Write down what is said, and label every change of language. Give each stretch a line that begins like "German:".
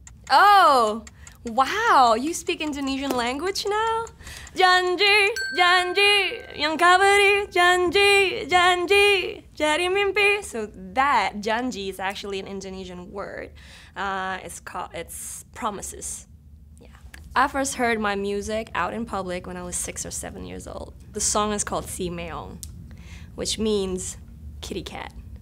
English: Oh, wow, you speak Indonesian language now?
Indonesian: Janji, janji, yang kau beri, janji, janji, jadi mimpi.
English: So that, janji, is actually an Indonesian word. It's promises. I first heard my music out in public when I was 6 or 7 years old. The song is called Si Meong, which means kitty cat.